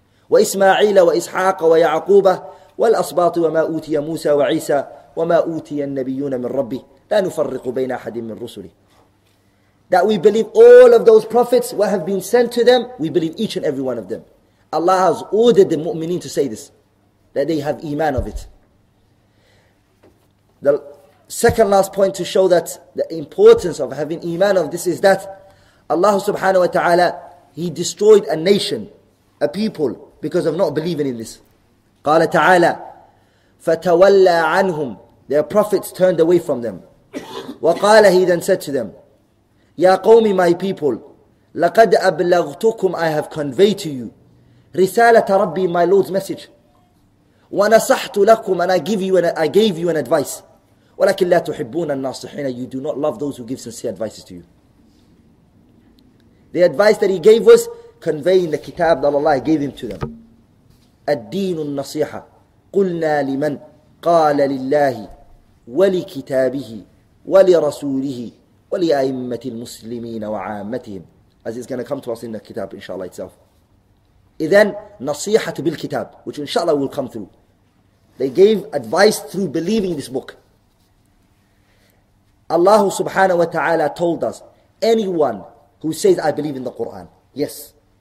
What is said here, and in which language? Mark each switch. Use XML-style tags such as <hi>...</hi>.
<ar>وإسماعيل وإسحاق ويعقوب والأصباط وما أوتي موسى وعيسى وما أوتي النبيون من ربي لا نفرق بين أحد من رسله.</ar> <en>That we believe all of those prophets, what have been sent to them, we believe each and every one of them. Allah has ordered the mu'mineen to say this, that they have iman of it. The second last point to show that the importance of having iman of this is that Allah subhanahu wa ta'ala, he destroyed a nation, a people, because of not believing in this.</en> <ar>قال تعالى فتولى عنهم,</ar> <en>their prophets turned away from them. وقال, he then said to them,</en> <ar>يا قومي,</ar> <en>my people,</en> <ar>لقد أبلغتكم,</ar> <en>I have conveyed to you,</en> <ar>رسالة ربي,</ar> <en>my Lord's message,</en> <ar>ونصحت لكم,</ar> <en>and I gave you an advice,</en> <ar>ولكن لا تحبون الناصحين,</ar> <en>you do not love those who give sincere advices to you. The advice that he gave was conveying the kitab that Allah gave him to them.</en> <ar>الدين النصيحة قلنا لمن قال لله ولكتابه ولرسوله ولأئمة المسلمين وعامتهم.</ar> <en>As it's going to come to us in the kitab, inshallah itself.</en> <ar>إذن نصيحة بالكتاب,</ar> <en>which inshallah will come through. They gave advice through believing this book. Allah subhanahu wa ta'ala told us, anyone who says, I believe in the Quran, yes.</en>